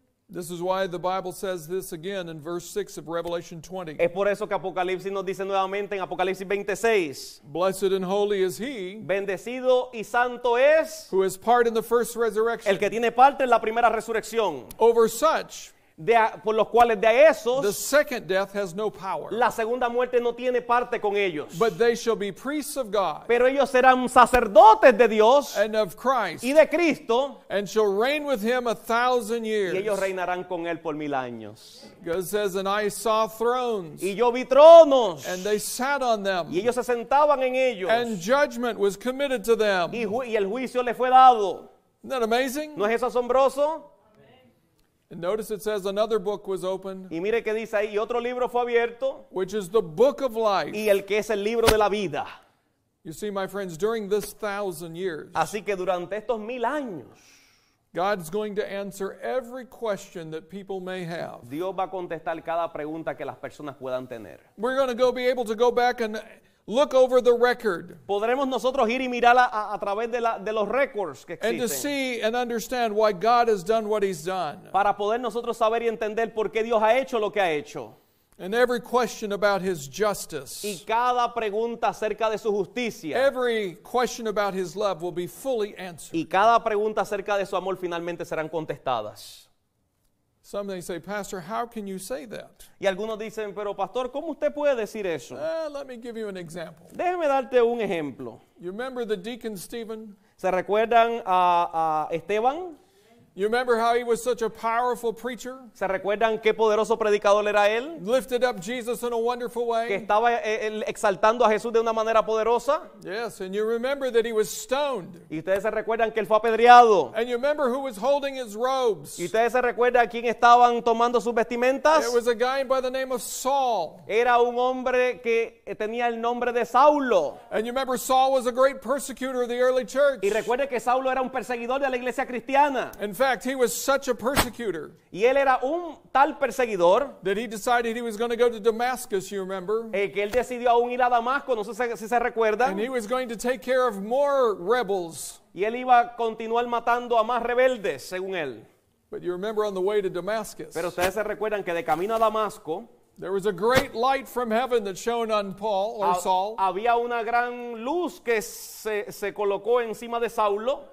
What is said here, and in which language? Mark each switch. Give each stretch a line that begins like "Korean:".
English: This is why the Bible says this again in verse 6 of Revelation 20.
Spanish: Es por eso que Apocalipsis nos dice nuevamente en Apocalipsis 26.
English: Blessed and holy is he.
Spanish: Bendecido y santo es.
English: Who has part in the first resurrection.
Spanish: El que tiene parte en la primera resurrección.
English: Over such.
Spanish: De, por los cuales de esos,
English: the second death has no power.
Spanish: La segunda muerte no tiene parte con ellos.
English: But they shall be priests of God.
Spanish: Pero ellos serán sacerdotes de Dios.
English: And of Christ.
Spanish: Y de Cristo.
English: And shall reign with him 1,000 years.
Spanish: Y ellos reinarán con él por 1,000 años.
English: God says, and I saw thrones.
Spanish: Y yo vi tronos.
English: And they sat on them.
Spanish: Y ellos se sentaban en ellos.
English: And judgment was committed to them.
Spanish: Y el juicio les fue dado.
English: Isn't that amazing?
Spanish: ¿No es eso asombroso?
English: And notice it says another book was opened.
Spanish: Y mire que dice ahí, y otro libro fue abierto.
English: Which is the book of life.
Spanish: Y el que es el libro de la vida.
English: You see, my friends, during this 1,000 years.
Spanish: Así que durante estos 1,000 años.
English: God's going to answer every question that people may have.
Spanish: Dios va a contestar cada pregunta que las personas puedan tener.
English: We're going to be able to go back and look over the record.
Spanish: Podremos nosotros ir y mirar a través de los récords que existen.
English: And to see and understand why God has done what he's done.
Spanish: Para poder nosotros saber y entender por qué Dios ha hecho lo que ha hecho.
English: And every question about his justice.
Spanish: Y cada pregunta acerca de su justicia.
English: Every question about his love will be fully answered.
Spanish: Y cada pregunta acerca de su amor finalmente serán contestadas.
English: Some may say, Pastor, how can you say that?
Spanish: Y algunos dicen, pero pastor, ¿cómo usted puede decir eso?
English: Let me give you an example.
Spanish: Déjeme darte un ejemplo.
English: You remember the deacon Stephen?
Spanish: ¿Se recuerdan a Esteban?
English: You remember how he was such a powerful preacher?
Spanish: ¿Se recuerdan qué poderoso predicador era él?
English: Lifted up Jesus in a wonderful way.
Spanish: Que estaba exaltando a Jesús de una manera poderosa.
English: Yes, and you remember that he was stoned.
Spanish: Y ustedes se recuerdan que él fue apedreado.
English: And you remember who was holding his robes.
Spanish: Y ustedes se recuerdan quién estaban tomando sus vestimentas.
English: It was a guy by the name of Saul.
Spanish: Era un hombre que tenía el nombre de Saulo.
English: And you remember Saul was a great persecutor of the early church.
Spanish: Y recuerden que Saulo era un perseguidor de la iglesia cristiana.
English: In fact, he was such a persecutor.
Spanish: Y él era un tal perseguidor.
English: That he decided he was going to go to Damascus, you remember?
Spanish: Que él decidió aún ir a Damasco, no sé si se recuerdan.
English: And he was going to take care of more rebels.
Spanish: Y él iba a continuar matando a más rebeldes, según él.
English: But you remember on the way to Damascus.
Spanish: Pero ustedes se recuerdan que de camino a Damasco,
English: there was a great light from heaven that shone on Paul or Saul.
Spanish: Había una gran luz que se colocó encima de Saulo.